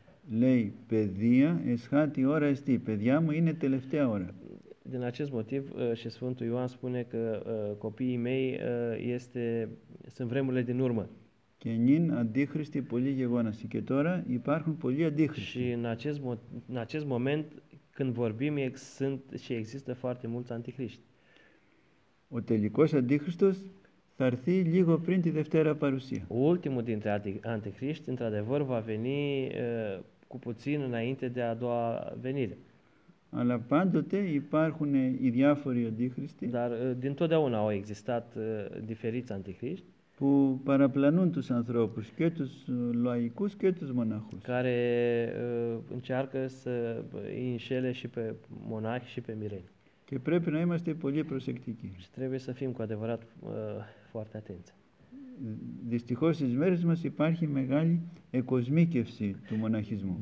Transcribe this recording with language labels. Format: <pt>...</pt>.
<el>λέει, παιδεία, εσχάτη ώρα εστί, παιδιά μου είναι τελευταία ώρα.</el> <ro>Din acest motiv și Sfântul Ioan spune că copiii mei sunt vremurile din urmă.</ro> <el>Και νυν αντίχριστοι πολλοί γεγόνασοι. Και τώρα υπάρχουν πολλοί αντίχριστοι.</el> <ro>Și în acest moment când vorbim sunt și există foarte mulți antichriști.</ro> <el>Ο τελικός αντίχριστος θα έρθει λίγο πριν τη Δευτέρα Παρουσία.</el> <ro>Ο ultimul dintre antichriști într-adevăr va veni cu puțin înainte de a doua venire.</ro> <el>Αλλά πάντοτε υπάρχουν οι διάφοροι αντίχριστοι.</el> <ro>Dar din totdeauna au existat diferiți antichriști.</ro> <el>Που παραπλανούν τους ανθρώπους και τους λαϊκούς και τους μοναχούς.</el> <ro>Care încearcă să înșele și pe monahi și pe mireni.</ro> <el>Και πρέπει να είμαστε πολύ προσεκτικοί.</el> <ro>Și trebuie să fim cu adevărat foarte atenți.</ro> <el>Δυστυχώς στις μέρες μας υπάρχει μεγάλη εκοσμίκευση του μοναχισμού.</el>